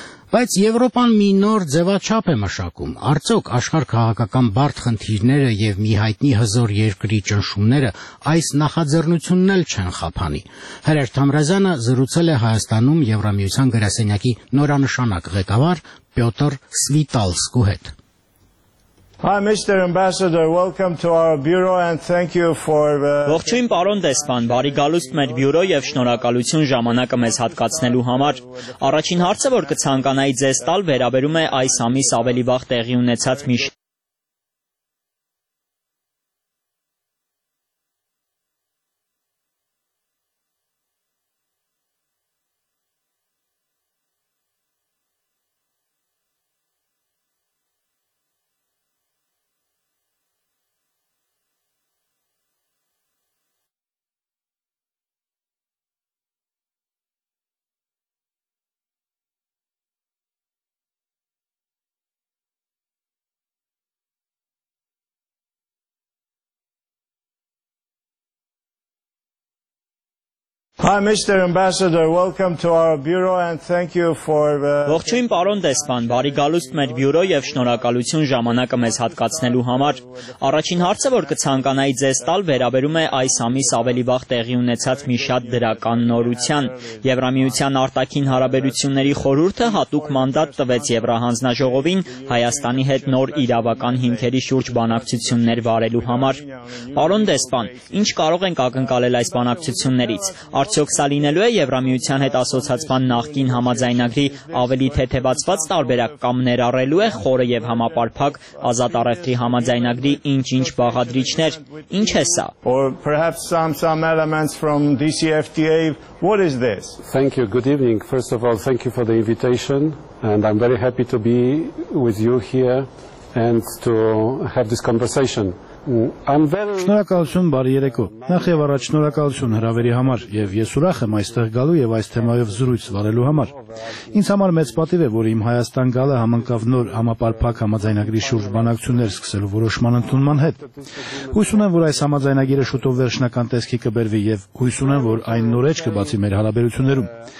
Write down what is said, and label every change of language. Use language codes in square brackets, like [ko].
[hy] Բայց Եվրոպան մի նոր ձևաչափ է մշակում։ Արդյոք աշխարհքաղաքական բարդ խնդիրները եւ մի հայտնի հզոր երկրի ճնշումները այս նախաձեռնությունն էլ չեն խափանի։ Հրեր Թամրազյանը զրուցել է Հայաստանում Եվրամիության գրասենյակի նորանշանակ ղեկավար Պյոտր Սվիտալսկու հետ։ [en] Hi, Mr. Ambassador. Welcome to our bureau and thank you for [hy] Ողջույն, պարոն Դեսպան, բարի գալուստ մեր բյուրո եւ շնորհակալություն ժամանակը մեզ հատկացնելու համար։ Առաջին հարցը, որ կցանկանայի ձեզ տալ, վերաբերում է այս ամիս ավելի վաղ տեղի ունեցած մի [en] Hi, Mr. Ambassador. Welcome to our bureau and thank you for [hy] Ողջույն, պարոն Դեսպան, բարի գալուստ մեր բյուրո եւ շնորհակալություն ժամանակը մեզ հատկացնելու համար։ Առաջին հարցը, որ կցանկանայի ձեզ տալ, վերաբերում է այս ամիս ավելի վաղ տեղի ունեցած մի շատ դրական նորության։ Եվրամիության արտաքին հարաբերությունների խորհուրդը հատուկ մանդատ տվեց Եվրահանձնաժողովին Հայաստանի հետ նոր իրավական հիմքերի շուրջ բանակցություններ վարելու համար։ Պարոն Դեսպան, ինչ կարող ենք ակնկալել այս բանակցություններից։ Արդյոք սա լինելու է Եվրամիության հետ ասոցացման նախկին համաձայնագրի ավելի թեթևացված տարբերակ կամ ներառելու է խորը եւ համապարփակ ազատ առևտրի համաձայնագրի ինչ-ինչ բաղադրիչներ։ Ինչ է սա։ [en] Or perhaps some elements from DCFTA. What is this? Thank you. Good evening. First of all, thank you for the invitation and I'm very happy to be with you here and to have this conversation. [hy] Շնորհակալություն, բարի երեկո։ Նախ եւ առաջ շնորհակալություն հրավերի համար եւ ես ուրախ եմ այստեղ գալու եւ այս թեմայով զրույց վարելու համար։ Ինձ համար մեծ պատիվ է, որ իմ Հայաստան գալը համընկավ նոր համապարփակ համաձայնագրի շուրջ բանակցություններ սկսելու որոշման ընդունման հետ։ Հույս ունեմ, որ այս համաձայնագիրը շուտով վերջնական տեսքի կբերվի եւ հույս ունեմ, որ այն նոր էջ կբացի մեր հարաբերություններում։